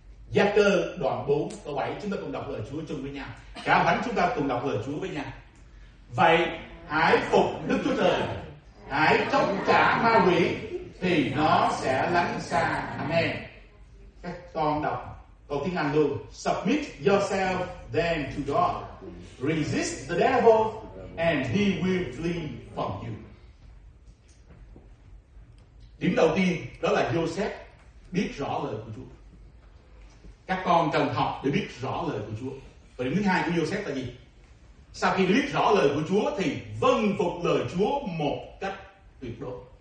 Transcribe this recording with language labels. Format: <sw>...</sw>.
<vi>Gia Cơ đoạn 4 câu 7. Chúng ta cùng đọc lời Chúa chung với nhau. Cả thánh chúng ta cùng đọc lời Chúa với nhau. Vậy hãy phục Đức Chúa Trời, hãy chống trả ma quỷ thì nó sẽ lánh xa. Amen. Các con đọc câu tiếng Anh luôn.</vi> <en>Submit yourself then to God. Resist the devil and he will flee from you.</en> <vi>Điểm đầu tiên đó là Joseph biết rõ lời của Chúa. Các con cần học để biết rõ lời của Chúa. Và điểm thứ hai của Joseph là gì? Sau khi biết rõ lời của Chúa thì vâng phục lời Chúa một cách tuyệt đối.</vi>